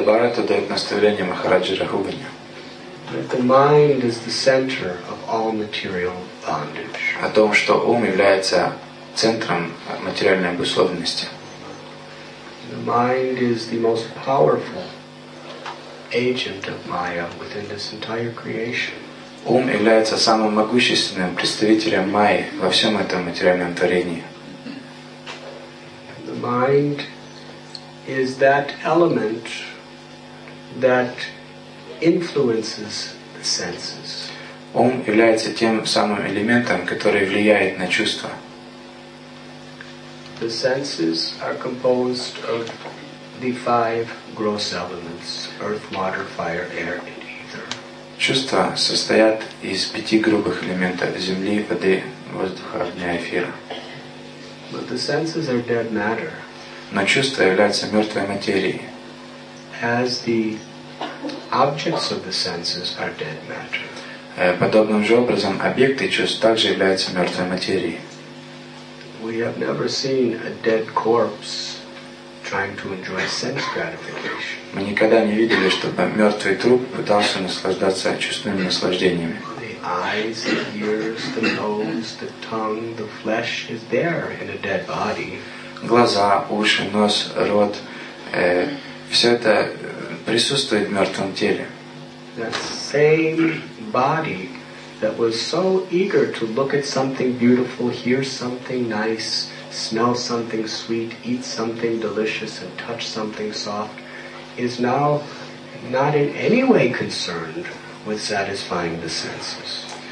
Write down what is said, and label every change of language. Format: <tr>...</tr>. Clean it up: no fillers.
<ru>Бхарата дает наставление Махараджи Рахугани.</ru> <en>The mind is the center of all material bondage.</en> <ru>О том, что ум является центром материальной обусловленности.</ru> <en>The mind is the most powerful agent of Maya within this entire creation.</en> <ru>Ум является самым могущественным представителем Майи во всем этом материальном творении.</ru> <en>The mind is that element that influences the senses.</en> <ru>Ум является тем самым элементом, который влияет на чувства.</ru> <en>The senses are composed of the five gross elements: earth, water, fire, air, and heat.</en> <ru>Чувства состоят из пяти грубых элементов – земли, воды, воздуха, огня, эфира.</ru> <en>But the senses are dead matter.</en> <ru>Но чувства являются мертвой материей.</ru> <en>As the objects of the senses are dead matter.</en> <ru>Подобным же образом объекты чувств также являются мертвой материей.</ru> <en>We have never seen a dead corpse trying to enjoy sense gratification.</en> <ru>Мы никогда не видели, чтобы мертвый труп пытался наслаждаться чувственными наслаждениями.</ru> <en>The eyes, the ears, the nose, the tongue, the flesh is there in a dead body.</en> <ru>Глаза, уши, нос, рот, все это присутствует в мертвом теле.</ru> <en>That same body that was so eager to look at something beautiful, hear something nice, smell something sweet, eat something delicious, and touch something soft, is now not in any way concerned with satisfying the senses.</en>